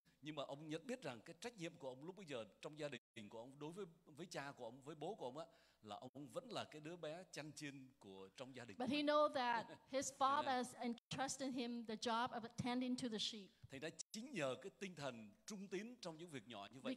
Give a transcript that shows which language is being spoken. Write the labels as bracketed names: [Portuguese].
[Vietnamese] Nhưng mà ông nhận biết rằng cái trách nhiệm của ông lúc bây giờ trong gia đình của ông đối với cha của ông, với bố của ông á, là ông vẫn là cái đứa bé chăn chiên của trong gia đình. [English] But he know that his father has entrusted him the job of attending to the sheep. [Vietnamese] Thì đã chính nhờ cái tinh thần trung tín trong những việc nhỏ như vậy.